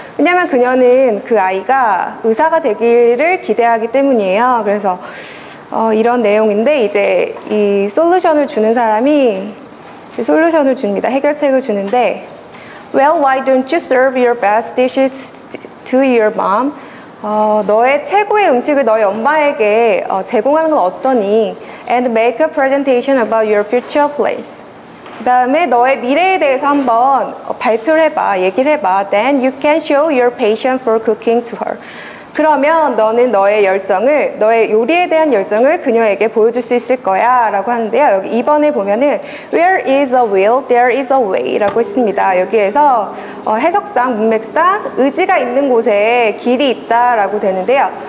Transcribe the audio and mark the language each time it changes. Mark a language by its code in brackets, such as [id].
[ko] 왜냐면 그녀는 그 아이가 의사가 되기를 기대하기 때문이에요. 그래서 이런 내용인데 이제 이 솔루션을 주는 사람이 솔루션을 줍니다. 해결책을 주는데 [en] Well, why don't you serve your best dishes to your mom? [ko] 너의 최고의 음식을 너의 엄마에게 제공하는 건 어떠니? [en] And make a presentation about your future plans. [ko] 그 다음에 너의 미래에 대해서 한번 발표를 해봐, 얘기를 해봐. [en] Then you can show your passion for cooking to her. [ko] 그러면 너는 너의 요리에 대한 열정을 그녀에게 보여줄 수 있을 거야 라고 하는데요. 여기 2번에 보면은 [en] Where is a will, there is a way [ko] 라고 했습니다. 여기에서 해석상, 문맥상 의지가 있는 곳에 길이 있다 라고 되는데요.